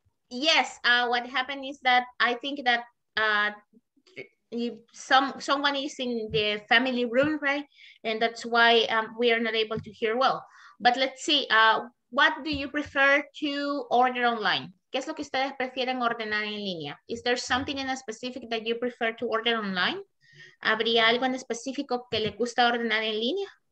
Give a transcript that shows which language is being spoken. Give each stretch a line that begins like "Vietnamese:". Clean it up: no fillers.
English: Yes, what happened is that I think that someone is in the family room, right? And that's why we are not able to hear well. But let's see, what do you prefer to order online?
Spanish: ¿Qué es lo que ustedes prefieren ordenar en línea?
English: Is there something in a specific that you prefer to order online?
Spanish: ¿Habría algo en específico que le gusta ordenar en línea?